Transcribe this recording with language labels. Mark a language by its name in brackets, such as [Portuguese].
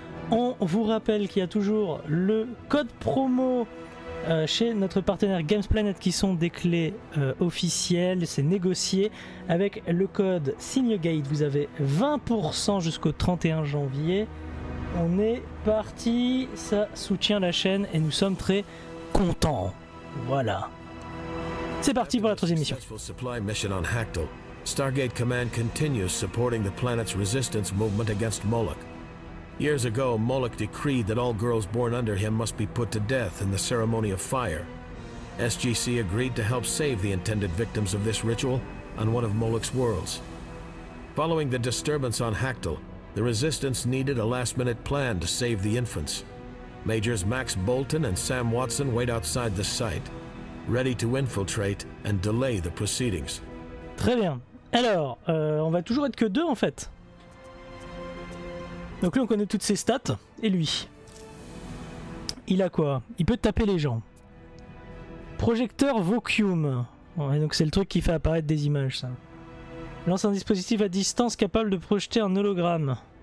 [French] On vous rappelle qu'il y a toujours le code promo chez notre partenaire Games Planet qui sont des clés officielles, c'est négocié. Avec le code SIGNEGATE, vous avez 20% jusqu'au 31 janvier. On est parti, ça soutient la chaîne et nous sommes très contents. Voilà. C'est parti pour la troisième mission. [English] Successful supply mission on Hactyl. Stargate Command continues supporting the planet's resistance movement against Moloch. Years ago, Moloch decreed that all girls born under him must be put to death in the ceremony of fire. SGC agreed to help save the intended victims of this ritual on one of Moloch's worlds. Following the disturbance on Hactyl, the resistance needed a last-minute plan to save the infants. Majors Max Bolton and Sam Watson wait outside the site. Ready to infiltrate and delay the proceedings. [French] Très bien. Alors, on va toujours être que deux en fait. Donc lui, on connaît toutes ses stats. Et lui, il a quoi? Il peut taper les gens. Projecteur Vacuum. Ouais, donc c'est le truc qui fait apparaître des images, ça. Lance un dispositif à distance capable de projeter un hologramme.